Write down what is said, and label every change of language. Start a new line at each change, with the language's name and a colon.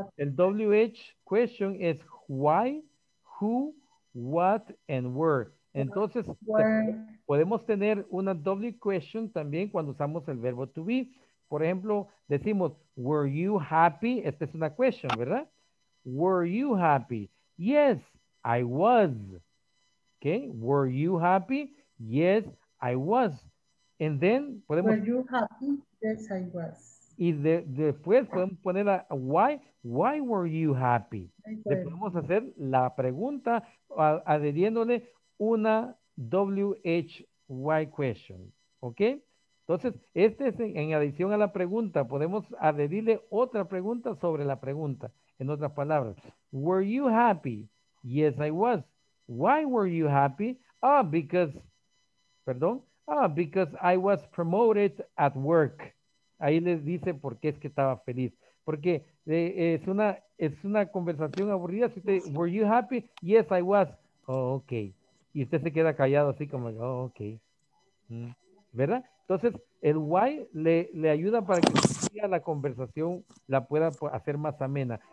Spanish: El WH question es why, who, what, and where. Entonces, podemos tener una W question también cuando usamos el verbo to be. Por ejemplo, decimos,
English: were you happy?
Spanish: Esta es una question, ¿verdad?
English: Were you happy? Yes, I was. Okay, were you happy? Yes, I was. And then,
Spanish: podemos...
English: Were you happy? Yes, I was.
Spanish: Y de, después podemos poner a why.
English: Why were you happy?
Spanish: Le podemos hacer la pregunta adhiriéndole una WH why question. Okay. Entonces, este es en adición a la pregunta. Podemos adherirle otra pregunta sobre la pregunta. En otras palabras,
English: were you happy? Yes, I was. Why were you happy? Ah, because, perdón, ah, because I was promoted at work.
Spanish: Ahí les dice por qué es que estaba feliz. Porque es una conversación aburrida. Si usted,
English: were you happy? Yes, I was. Oh, okay.
Spanish: Y usted se queda callado así como, oh, okay. ¿Verdad? Entonces, el why le ayuda para que la conversación la pueda hacer más amena.